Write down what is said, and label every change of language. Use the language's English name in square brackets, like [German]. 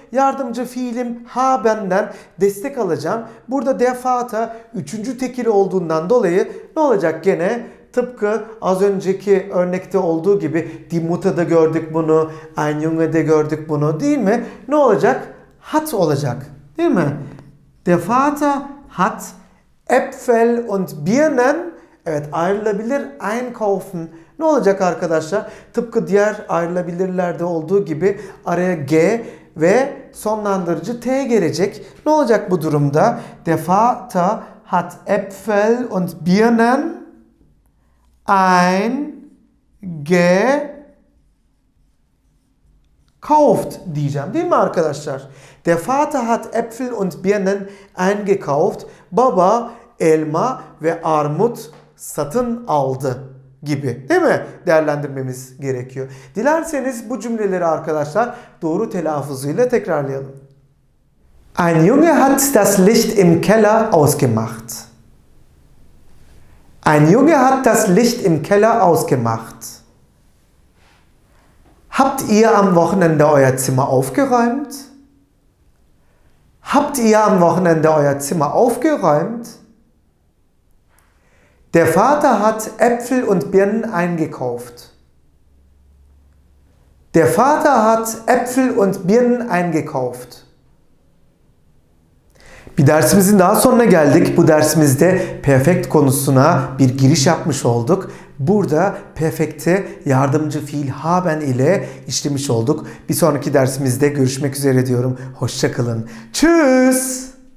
[Turkish] Yardımcı fiilim haben'den destek alacağım. Burada [German] der Vater [Turkish] üçüncü tekil olduğundan dolayı ne olacak gene? Tıpkı az önceki örnekte olduğu gibi die Mutter'da gördük bunu, ein Junge'de gördük bunu değil mi? Ne olacak? Hat olacak değil mi? [German] Der Vater hat Äpfel und Birnen, [Turkish] evet ayrılabilir, [German] einkaufen. [Turkish] Ne olacak arkadaşlar? Tıpkı diğer ayrılabilirlerde olduğu gibi araya G ve sonlandırıcı T gelecek. Ne olacak bu durumda? [German] Der Vater hat Äpfel und Birnen eingekauft [Turkish] diyeceğim. Değil mi arkadaşlar? [German] Der Vater hat Äpfel und Birnen eingekauft. [Turkish] Baba elma ve armut satın aldı. Gibi değil mi? Değerlendirmemiz gerekiyor. Dilerseniz bu cümleleri arkadaşlar doğru telaffuzuyla tekrarlayalım. [German] Ein Junge hat das Licht im Keller ausgemacht. Ein Junge hat das Licht im Keller ausgemacht. Habt ihr am Wochenende euer Zimmer aufgeräumt? Habt ihr am Wochenende euer Zimmer aufgeräumt? Der Vater hat Äpfel und Birnen eingekauft. Der Vater hat Äpfel und Birnen eingekauft. [Turkish] Bir dersimizin daha sonuna geldik. Bu dersimizde perfekt konusuna bir giriş yapmış olduk. Burada perfekti yardımcı fiil haben ile işlemiş olduk. Bir sonraki dersimizde görüşmek üzere diyorum. Hoşça kalın. [German] Tschüss.